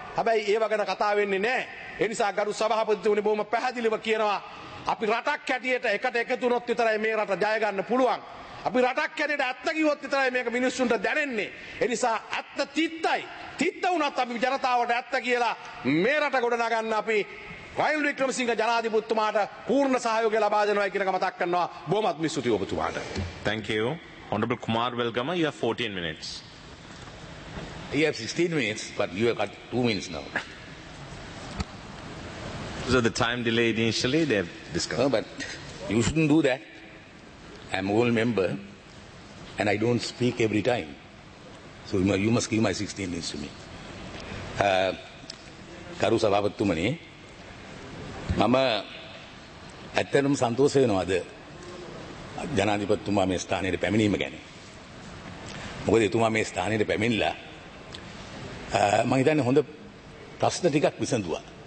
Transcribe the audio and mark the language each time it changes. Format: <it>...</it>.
<si>හැබැයි ඒව ගැන කතා වෙන්නේ නැහැ. එනිසා ගරු සභාපතිතුමනි බොහොම පැහැදිලිව කියනවා අපි රටක් හැටියට එකට එකතු වුණොත් විතරයි මේ රට ජය ගන්න පුළුවන්. අපි රටක් කැඩේට ඇත්ත කිව්වොත් විතරයි මේක මිනිස්සුන්ට දැනෙන්නේ. ඒ නිසා ඇත්ත තිත්තයි. තිත්ත වුණත් අපි ජනතාවට ඇත්ත කියලා මේ රට ගොඩනගන්න අපි රයිල් වික්‍රමසිංහ ජනාධිපතිතුමාට පූර්ණ සහයෝගය ලබා දෙනවා කියන එක මතක් කරනවා. බොහොමත් ස්තුතියි ඔබතුමාට.</si> <en>Thank you. Honorable Kumar Welgama, you have 14 minutes. You have 16 minutes, but you have got 2 minutes now. So the time delay initially, they have discussed. No, but you shouldn't do that. I'm a whole member, and I don't speak every time. So you must give my 16 minutes to me.</en> <si>Karu Sabhapathitumani, Mama, ඇත්තටම සන්තෝෂ වෙනවාද ජනාධිපතිතුමා මේ ස්ථානයට පැමිණීම ගැන. මොකද එතුමා මේ ස්ථානයට පැමිණිලා මම හිතන්නේ හොඳ ප්‍රශ්න ටිකක් විසඳුවා.</si>